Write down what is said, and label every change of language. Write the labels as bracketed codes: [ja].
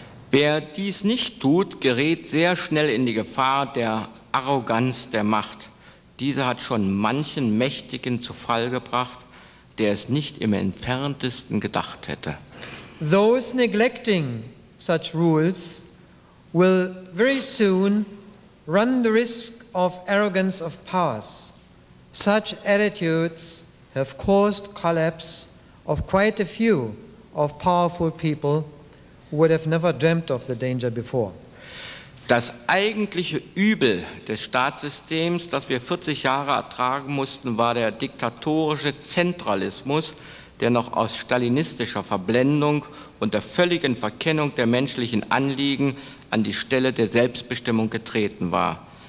[de] Wer dies nicht tut, gerät sehr schnell in die Gefahr der Arroganz der Macht. Diese hat schon manchen Mächtigen zu Fall gebracht, der es nicht im Entferntesten gedacht hätte. [en] Those neglecting such rules will very soon run the risk of arrogance of powers. Such attitudes have caused collapse of quite a few of powerful people who would have never dreamt of the danger before. [de] Das eigentliche Übel des Staatssystems, das wir 40 Jahre ertragen mussten, war der diktatorische Zentralismus, der noch aus stalinistischer Verblendung und der völligen Verkennung der menschlichen Anliegen an die Stelle der Selbstbestimmung getreten war.